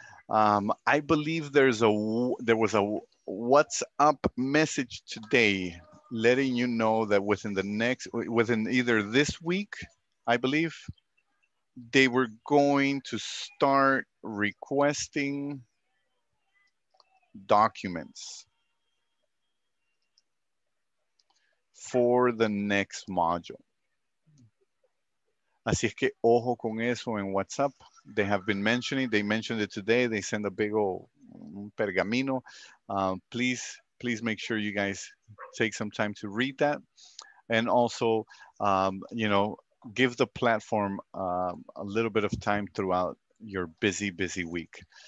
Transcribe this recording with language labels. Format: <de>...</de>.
<en>I believe there was a WhatsApp message today letting you know that within either this week, I believe, they were going to start requesting documents for the next module.</en> <es>Así es que ojo con eso en WhatsApp.</es> <en>They have been mentioning, they mentioned it today. They send a big old pergamino. Please make sure you guys take some time to read that. And also, you know, give the platform a little bit of time throughout your busy week.</en>